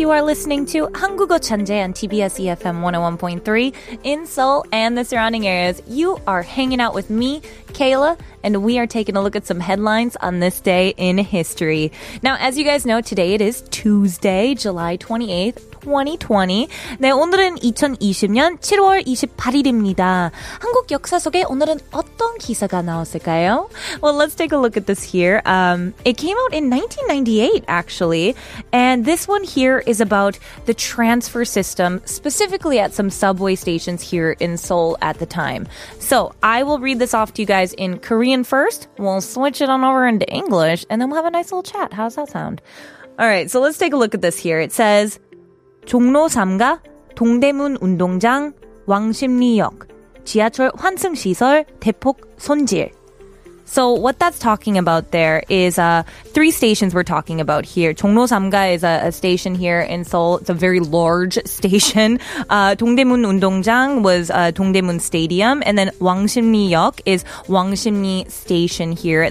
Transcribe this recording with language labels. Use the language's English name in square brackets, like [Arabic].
[English] You are listening to 한국어 천재 on TBS EFM 101.3 in Seoul and the surrounding areas. You are hanging out with me, Kayla, and we are taking a look at some headlines on this day in history. Now, as you guys know, today it is Tuesday, July 28th. 2020. [Korean] 네, 오늘은 2020년 7월 28일입니다. 한국 역사 속에 오늘은 어떤 기사가 나왔을까요? [English] Well, let's take a look at this here. It came out in 1998, actually. And this one here is about the transfer system, specifically at some subway stations here in Seoul at the time. So, I will read this off to you guys in Korean first. We'll switch it on over into English, and then we'll have a nice little chat. How's that sound? All right, so let's take a look at this here. It says... [Korean] 종로 3가 동대문 운동장 왕십리역 지하철 환승 시설 대폭 손질. [English] So what that's talking about there is three stations we're talking about here. 종로 3가 is a station here in Seoul. It's a very large station. 동대문 운동장 was 동대문 Stadium. And then 왕십리역 is 왕십리 Station here.